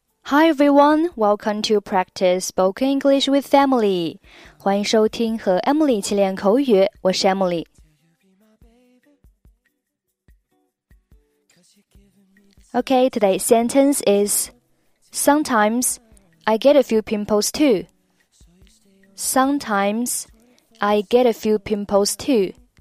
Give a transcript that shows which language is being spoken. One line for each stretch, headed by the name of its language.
English: Hi everyone, welcome to Practice Spoken English with Emily.
Chinese: 欢迎收听和 Emily 一起练口语，我是 Emily。
English: Okay, today's sentence is Sometimes I get a few pimples too. Sometimes I get a few pimples too.